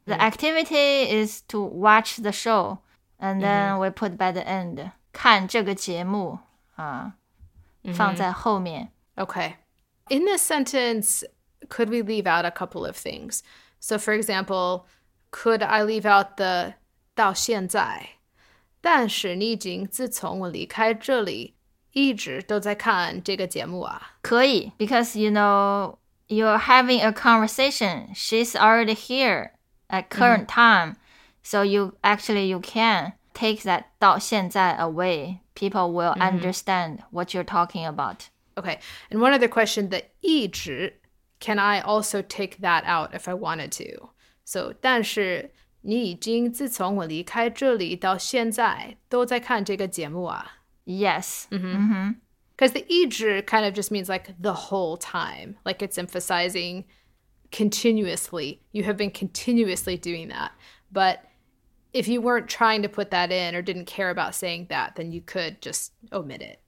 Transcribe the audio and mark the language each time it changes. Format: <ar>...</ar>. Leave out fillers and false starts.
<en>The activity is to watch the show, and then we put by the end.</en> <zh>看这个节目放在后面。</zh> <en>Okay. In this sentence... Could we leave out a couple of things? So, for example, could I leave out the 到现在?</en> <zh>但是你已经自从我离开这里,一直都在看这个节目啊。</zh> <en>可以, because, you know, you're having a conversation. She's already here at current time. So, you can take that 到现在 away. People will understand what you're talking about. Okay. And one other question, the 一直... Can I also take that out if I wanted to?</en> <zh>So, 但是你已经自从我离开这里到现在都在看这个节目啊。</zh> <en>Yes. Because the 一直 kind of just means like the whole time. Like it's emphasizing continuously. You have been continuously doing that. But if you weren't trying to put that in or didn't care about saying that, then you could just omit it.</en>